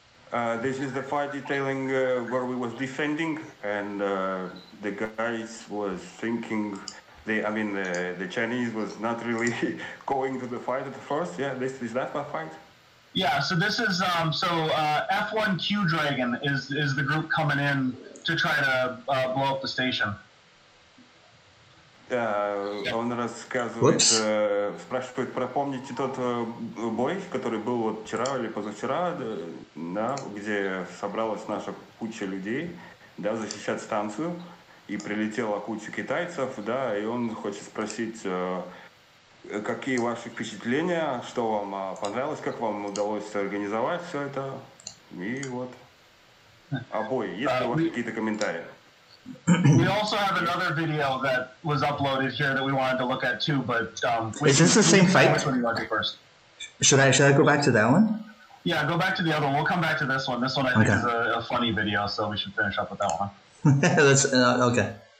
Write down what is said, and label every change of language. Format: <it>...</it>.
<en>This is the fight detailing where we was defending, and the guys was thinking, the Chinese was not really going to the fight at first. Yeah, this is that my fight. Yeah, so this is F1Q Dragon is the group coming in to try to blow up the station.</en> <ru>Он рассказывает, спрашивает, пропомните тот бой, который был вот вчера или позавчера, да, где собралась наша куча людей, да, защищать станцию, и прилетела куча китайцев, да, и он хочет спросить. Какие ваши впечатления? Что вам понравилось? Как вам удалось организовать все это? И вот обои. Есть ли у вас какие-то комментарии?</ru> <en>We also have another video that was uploaded here that we wanted to look at too, but is this the same fight? Should I go back to that one? Yeah, go back to the other one. We'll come back to this one. This one I think is a funny video, so we should finish up with that one. That's okay.</en>